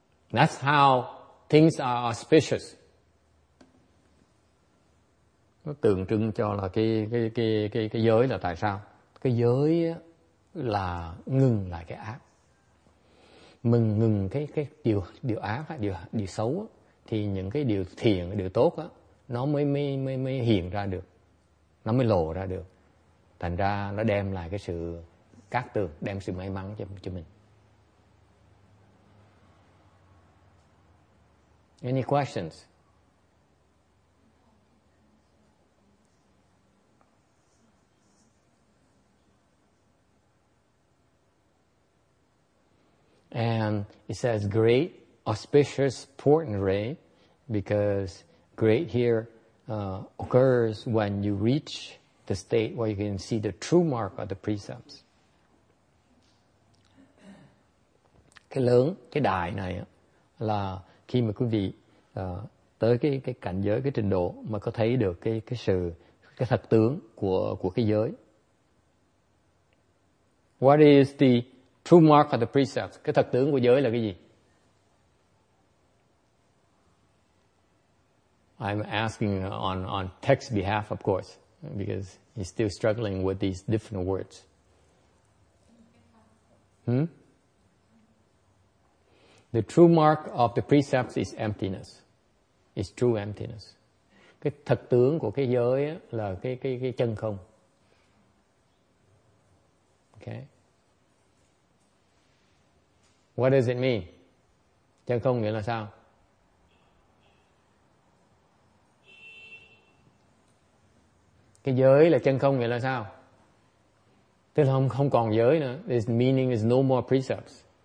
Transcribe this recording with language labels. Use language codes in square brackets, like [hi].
[en] That's how things are auspicious. [vi] Nó tượng trưng cho là cái giới là tại sao? cái giới là ngừng lại cái ác. Mình ngừng cái điều điều ác, điều điều xấu thì những cái điều thiện, điều tốt á nó mới hiện ra được. Nó mới lộ ra được. Thành ra nó đem lại cái sự cát tường, đem sự may mắn cho mình. [en] Any questions? And it says great auspicious portent ray, because great here occurs when you reach the state where you can see the true mark of the precepts. [vi] Cái lớn, cái đại này á, là khi mà quý vị tới cái cảnh giới, cái trình độ mà có thấy được cái sự, cái thật tướng của cái giới. [en] What is the true mark of the precepts? [vi] Cái thật tướng của giới là cái gì? [en] I'm asking on text behalf, of course, because he's still struggling with these different words. The true mark of the precepts is emptiness. It's true emptiness. [vi] Cái thật tướng của cái giới là cái chân không. [en] Okay. What does it mean? [vi] Chân không nghĩa là sao? Cái giới là chân không nghĩa là sao? Tức là không còn giới nữa. [en] This meaning is no more precepts.